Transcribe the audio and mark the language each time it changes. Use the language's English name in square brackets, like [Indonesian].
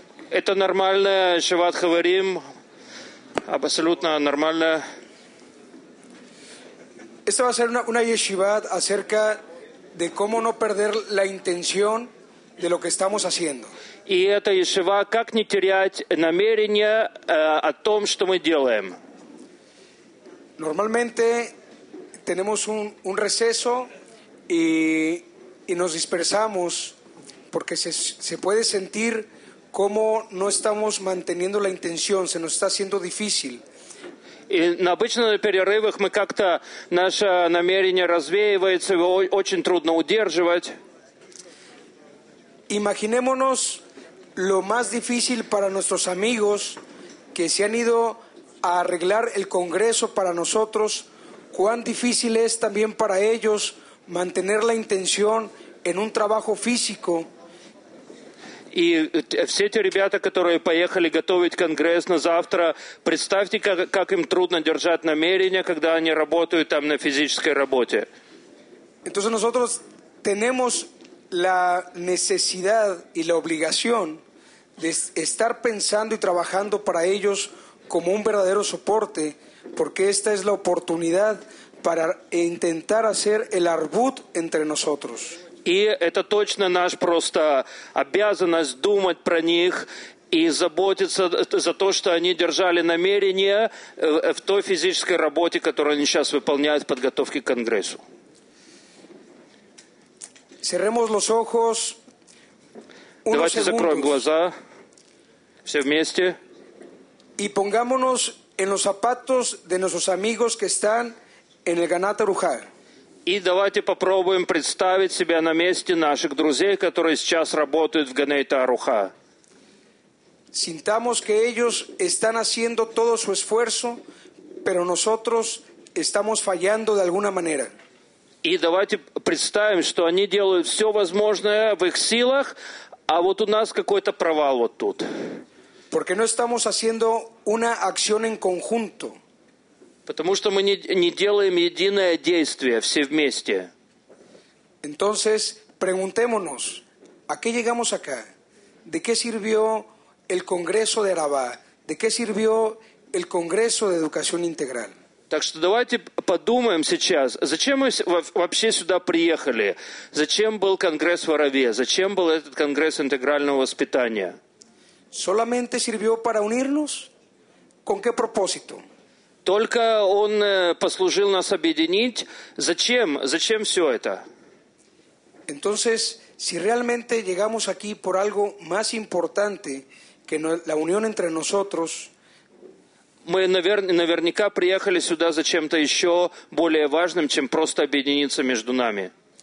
[Russian] Это нормальная Шиват Хаварим, абсолютно нормальная. [Spanish] Esta va a ser una yeshiva acerca de cómo no perder la intención de lo que estamos haciendo. [Russian] И эта yeshiva, как не терять намерение о том, что мы делаем. [Spanish] Normalmente tenemos un receso y nos dispersamos porque se puede sentir cómo no estamos manteniendo la intención, se nos está haciendo difícil. [Russian] И на обычных перерывах мы как-то наше намерение развеивается, его очень трудно удерживать. [Spanish] Imaginémonos lo más difícil para nuestros amigos que se han ido a arreglar el Congreso para nosotros, cuán difícil es también para ellos mantener la intención en un trabajo físico. [Russian] И все те ребята, которые поехали готовить конгресс на завтра, представьте, как им трудно держать намерение, когда они работают там на физической работе. [Spanish] Entonces nosotros tenemos la necesidad y la obligación de estar pensando y trabajando para ellos como un verdadero soporte, porque esta es la oportunidad para intentar hacer el arbut entre nosotros. [Russian] И это точно наш просто обязанность думать про них и заботиться за то, что они держали намерение в той физической работе, которую они сейчас выполняют в подготовке к Конгрессу. [Spanish] Cerremos los ojos. [Russian] Давайте закроем глаза все вместе. [Spanish] Y pongámonos en los zapatos de nuestros amigos que están en el Ganat Arujá. [Russian] И давайте попробуем представить себя на месте наших друзей, которые сейчас работают в Ганейта Аруха. [Spanish] Sintamos que ellos están haciendo todo su esfuerzo, pero nosotros estamos fallando de alguna manera. [Russian] И давайте представим, что они делают все возможное в их силах, а вот у нас какой-то провал вот тут. [Spanish] Porque no estamos haciendo una acción en conjunto. [Russian] Потому что мы не делаем единое действие все вместе. [Spanish] Entonces, preguntémonos, ¿a qué llegamos acá? ¿De qué sirvió el Congreso de Araba? ¿De qué sirvió el Congreso de Educación Integral? [Russian] Так что давайте подумаем сейчас, зачем мы вообще сюда приехали? Зачем был Конгресс в Араве? Зачем был этот Конгресс интегрального воспитания? [Spanish] Solamente sirvió para unirnos. ¿Con qué propósito? [Russian] Только он послужил нас объединить. Зачем? Зачем все это? [Spanish] Entonces, si realmente llegamos aquí por algo más importante que la unión entre nosotros, [Russian] мы наверняка приехали сюда за чем-то еще более важным, чем просто объединиться между нами.